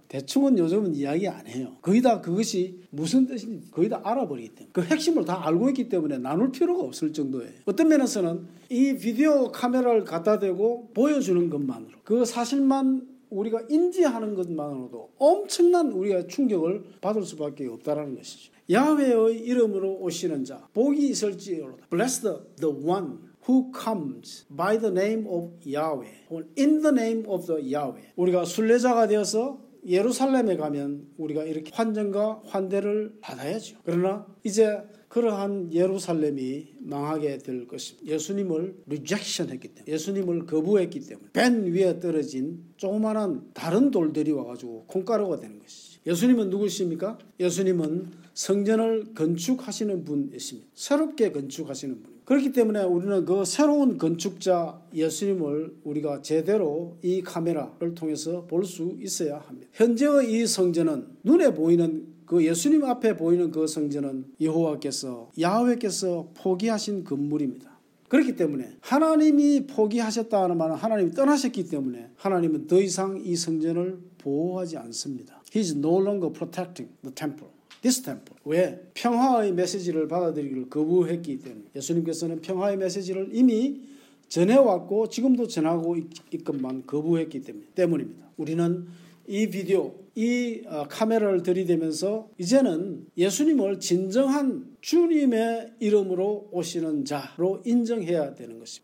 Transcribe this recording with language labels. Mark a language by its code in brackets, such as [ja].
[ko] 대충은 요즘은 이야기 안 해요. 거의 다 그것이 무슨 뜻인지 거의 다 알아버리기 때문에 그 핵심을 다 알고 있기 때문에 나눌 필요가 없을 정도예요. 어떤 면에서는 이 비디오 카메라를 갖다 대고 보여주는 것만으로 그 사실만 우리가 인지하는 것만으로도 엄청난 우리가 충격을 받을 수밖에 없다는 것이죠. 야훼의 이름으로 오시는 자 복이 있을지어다. [en] Blessed the one who comes by the name of Yahweh or in the name of the Yahweh. [ko] 우리가 순례자가 되어서 예루살렘에 가면 우리가 이렇게 환전과 환대를 받아야죠. 그러나 이제 그러한 예루살렘이 망하게 될 것입니다. 예수님을 rejection 했기 때문에 예수님을 거부했기 때문에 밴 위에 떨어진 조그마한 다른 돌들이 와가지고 콩가루가 되는 것이죠. 예수님은 누구십니까? 예수님은 성전을 건축하시는 분이십니다. 새롭게 건축하시는 분. 그렇기 때문에 우리는 그 새로운 건축자 예수님을 우리가 제대로 이 카메라를 통해서 볼 수 있어야 합니다. 현재의 이 성전은 눈에 보이는 그 예수님 앞에 보이는 그 성전은 여호와께서 야훼께서 포기하신 건물입니다. 그렇기 때문에 하나님이 포기하셨다는 말은 하나님이 떠나셨기 때문에 하나님은 더 이상 이 성전을 보호하지 않습니다. [en] He is no longer protecting the temple. This temple. [ko] 왜? 평화의 메시지를 받아들이기를 거부했기 때문에 예수님께서는 평화의 메시지를 이미 전해왔고 지금도 전하고 있건만 거부했기 때문입니다. 우리는 이 비디오, 이 카메라를 들이대면서 이제는 예수님을 진정한 주님의 이름으로 오시는 자로 인정해야 되는 것입니다.